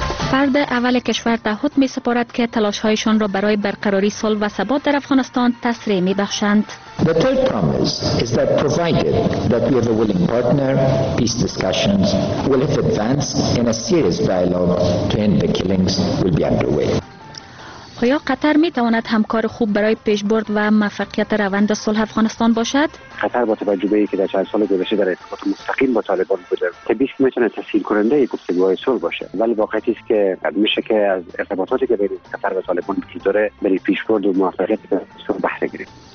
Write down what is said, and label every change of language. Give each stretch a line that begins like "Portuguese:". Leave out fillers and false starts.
Persian: فرد اول کشور تعهد می سپارد که تلاش هایشان را برای برقراری صلح و ثبات در افغانستان تسریع می بخشند.
English: The third promise is that provided that we have a willing partner, peace discussions will have advanced in a serious dialogue to end the killings will be underway.
Persian: آیا قطر می تواند همکار خوب برای پیشبرد و موفقیت روند صلح افغانستان باشد؟ قطر با توجه به اینکه در چند سال گذشته در ارتباط مستقیم با طالبان بوده، طبیعی می تواند تسهیل کننده گفتگوهای صلح باشد. ولی واقعیت است که میشه که از ارتباطاتی که بین قطر و طالبان وجود داره برای پیشبرد و موفقیت صلح بهره گیریم.